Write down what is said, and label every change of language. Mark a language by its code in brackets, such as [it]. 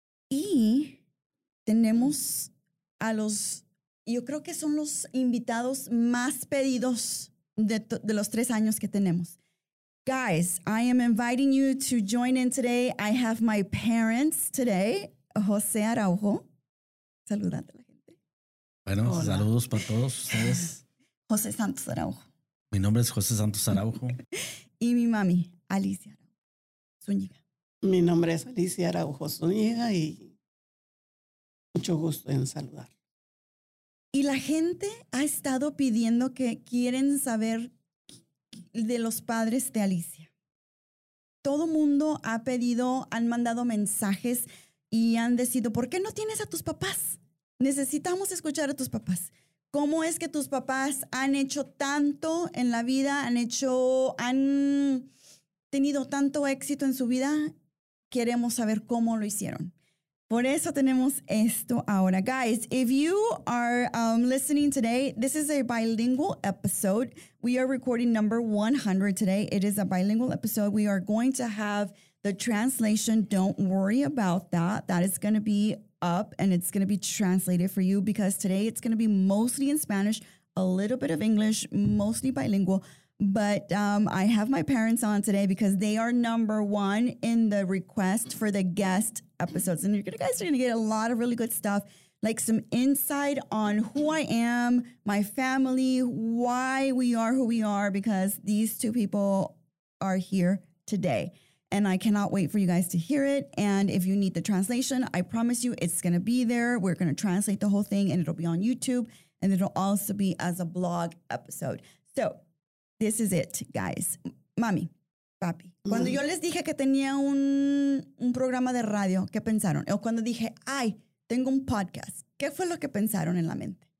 [es] Y tenemos a los, yo creo que son los invitados más pedidos de los tres años que tenemos. [en] Guys, I am inviting you to join in today. I have my parents today, José Araujo. [es] Saludate a la gente. Bueno, hola. Saludos para todos ustedes. José Santos Araujo. Mi nombre es José Santos Araujo. Y mi mami, Alicia Araujo Zúñiga. Mi nombre es Alicia Araujo Zúñiga y mucho gusto en saludar. Y la gente ha estado pidiendo que quieren saber de los padres de Alicia. Todo mundo ha pedido, han mandado mensajes y han decidido, ¿por qué no tienes a tus papás? Necesitamos escuchar a tus papás. ¿Cómo es que tus papás han hecho tanto en la vida, han tenido tanto éxito en su vida? Queremos saber cómo lo hicieron. Por eso tenemos esto ahora. [en] Guys, if you are listening today, this is a bilingual episode. We are recording number 100 today. It is a bilingual episode. We are going to have the translation. Don't worry about that. That is going to be up and it's going to be translated for you because today it's going to be mostly in Spanish, a little bit of English, mostly bilingual. But I have my parents on today because they are number one in the request for the guest episodes. And you guys are going to get a lot of really good stuff, like some insight on who I am, my family, why we are who we are, because these two people are here today. And I cannot wait for you guys to hear it. And if you need the translation, I promise you it's going to be there. We're going to translate the whole thing and it'll be on YouTube and it'll also be as a blog episode. So this is it, guys. Mami, papi. [es] Cuando yo les dije que tenía un programa de radio, ¿qué pensaron? O cuando dije, ay, tengo un podcast, ¿qué fue lo que pensaron en la mente?